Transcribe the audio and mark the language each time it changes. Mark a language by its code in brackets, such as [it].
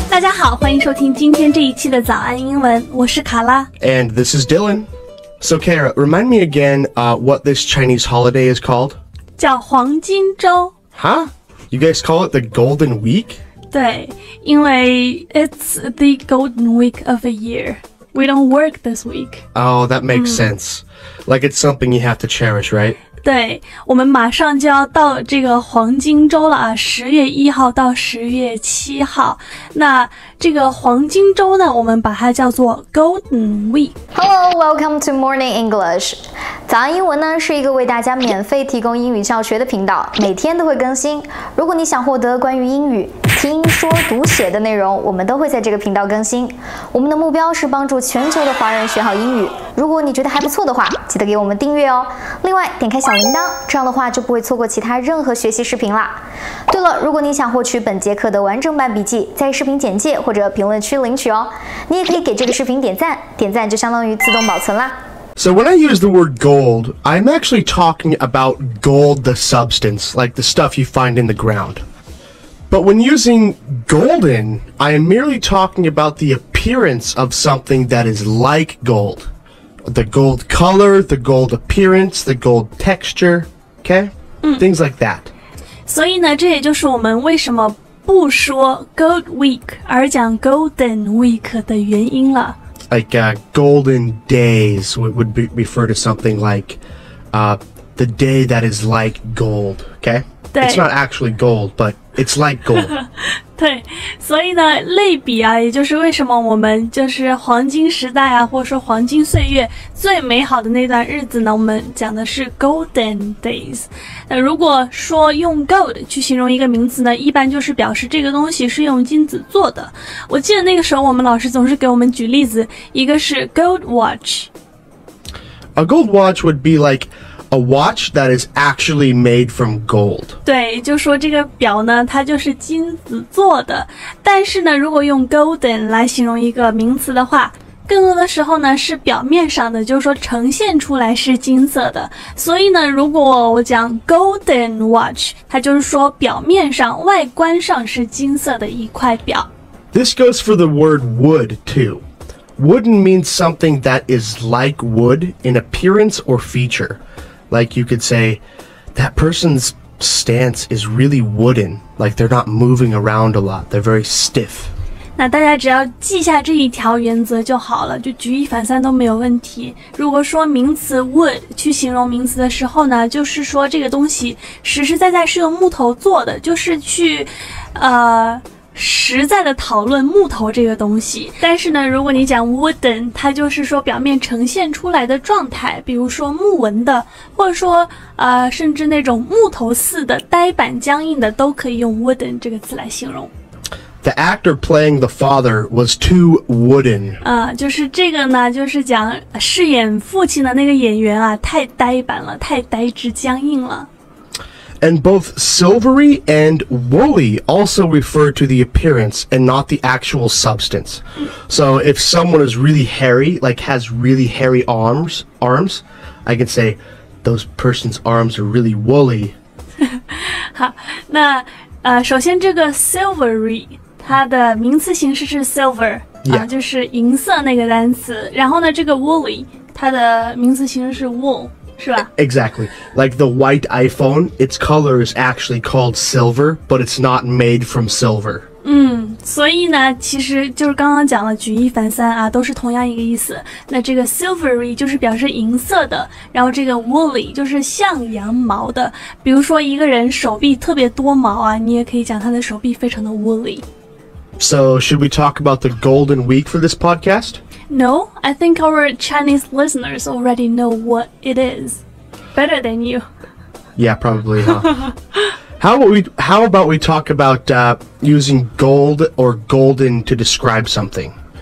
[zh] 大家好，欢迎收听今天这一期的早安英文，我是卡拉。 [en] And this is Dylan. So Kara, remind me again, what this Chinese holiday is called? [zh] 叫黄金周。 [en] Huh? You guys call it the Golden Week? [zh] 对，因为 [en] it's the Golden Week of a year. We don't work this week. Oh, that makes sense. Like it's something you have to cherish, right? [zh] 对，我们马上就要到这个黄金周了啊，十月一号到十月七号。那这个黄金周呢，我们把它叫做 Golden Week。 [en] Hello, welcome to Morning English。 [zh] 早安英文呢是一个为大家免费提供英语教学的频道，每天都会更新。如果你想获得关于英语听说读写的内容，我们都会在这个频道更新。我们的目标是帮助全球的华人学好英语。如果你觉得还不错的话，记得给我们订阅哦。另外，点开小铃铛，这样的话就不会错过其他任何学习视频啦。对了，如果你想获取本节课的完整版笔记，在视频简介或者评论区领取哦。你也可以给这个视频点赞，点赞就相当于自动保存啦。 [en] So when I use the word gold, I'm actually talking about gold the substance, like the stuff you find in the ground. But when using golden, I am merely talking about the appearance of something that is like gold. The gold color, the gold appearance, the gold texture, okay? Things like that. [zh] 所以呢，这也就是我们为什么不说 gold week, 而讲 golden week 的原因了。 [en] Like golden days would be refer to something like the day that is like gold, okay? It's not actually gold, but it's like gold. [zh] 对，所以呢，类比啊，也就是为什么我们就是黄金时代啊，或者说黄金岁月最美好的那段日子呢，我们讲的是 golden days。那如果说用 gold 去形容一个名词呢，一般就是表示这个东西是用金子做的。我记得那个时候我们老师总是给我们举例子，一个是 gold watch。 [en] A gold watch would be like. A watch that is actually made from gold. [zh] 对，就说这个表呢，它就是金子做的。但是呢，如果用 golden 来形容一个名词的话，更多的时候呢是表面上的，就是说呈现出来是金色的。所以呢，如果我讲 golden watch, 它就是说表面上、外观上是金色的一块表。 [en] This goes for the word wood too. Wooden means something that is like wood in appearance or feature. Like you could say, that person's stance is really wooden. Like they're not moving around a lot. They're very stiff. [zh] 那大家只要记下这一条原则就好了，就举一反三都没有问题。如果说名词 wood 去形容名词的时候呢，就是说这个东西实实在在是用木头做的，就是去，实在的讨论木头这个东西。但是呢，如果你讲 wooden, 它就是说表面呈现出来的状态，比如说木纹的，或者说甚至那种木头似的呆板僵硬的，都可以用 wooden 这个词来形容。 [en] The actor playing the father was too wooden. [zh] 就是这个呢，就是讲饰演父亲的那个演员啊，太呆板了，太呆滞僵硬了。 [en] And both silvery and woolly also refer to the appearance and not the actual substance. So if someone is really hairy, like has really hairy arms, I can say those person's arms are really woolly. [zh] 好，那首先这个 silvery, 它的名词形式是 silver,就是银色那个单词。然后呢，这个 woolly, 它的名词形式是 wool. [en] Exactly. Like the white iPhone, its color is actually called silver, but it's not made from silver. [zh] 所以呢，其实就是刚刚讲了，举一反三啊，都是同样一个意思。那这个 silvery 就是表示银色的，然后这个 woolly 就是像羊毛的。比如说一个人手臂特别多毛啊，你也可以讲他的手臂非常的 woolly. [en] So should we talk about the golden week for this podcast? No, I think our Chinese listeners already know what it is. Better than you. Yeah, probably, huh? How about we talk about using gold or golden to describe something?